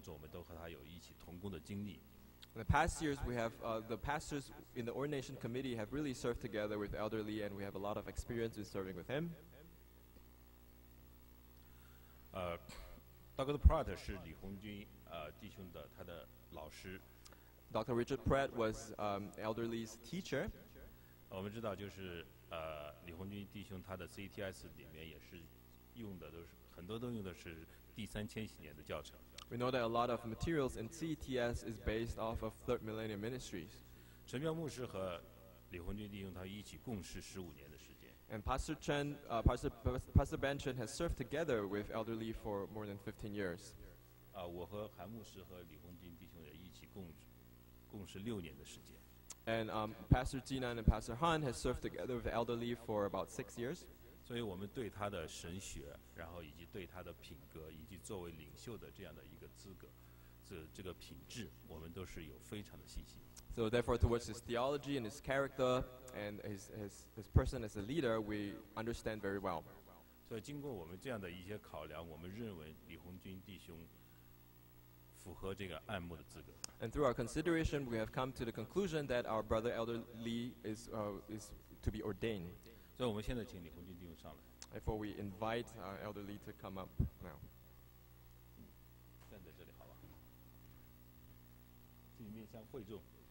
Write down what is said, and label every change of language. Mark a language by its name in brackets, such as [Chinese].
[Chinese] 李红军弟兄，我们刚才我们也介绍了，就是我们这四位爱慕委员会里面的牧师，我们之所以今天有这样的信心，我们在这里为李红军弟兄来爱慕，是因为我们在过去的很多年当中，我们都和他有一起同工的经历。 [English] The past years, we have the pastors in the ordination committee have really served together with Elder Lee, and we have a lot of experience in serving with him. [Chinese] Dr. Pratt 是李红军弟兄的他的老师。 [English] Dr. Richard Pratt was Elder Lee's teacher. [Chinese] 我们知道，就是李红军弟兄他的 CTS 里面也是用的都是很多都用的是第三千禧年的教程。 [English] We know that a lot of materials in CTS is based off of Third Millennium Ministries. [Chinese] 陈彪牧师和李红军弟兄他一起共事15年的时间。 [English] And Pastor Chen, Pastor Ben Chen has served together with Elder Lee for more than 15 years. [Chinese] 我和韩牧师和李红军弟兄也一起共事6年的时间。 [English] And Pastor Jinan and Pastor Han has served together with the elderly for about 6 years. [Chinese] 所以我们对他的神学，然后以及对他的品格，以及作为领袖的这样的一个资格，这个品质，我们都是有非常的信心。 [English] So therefore, towards his theology and his character and his person as a leader, we understand very well. [Chinese] 所以经过我们这样的一些考量，我们认为李红军弟兄符合这个按摩的资格。 [English] And through our consideration, we have come to the conclusion that our brother Elder Lee is to be ordained. [Chinese] 所以我们现在请李红军弟兄上来。 [English] Therefore, we invite our Elder Lee to come up now. [Chinese] 站在这里好吧，请面向会众。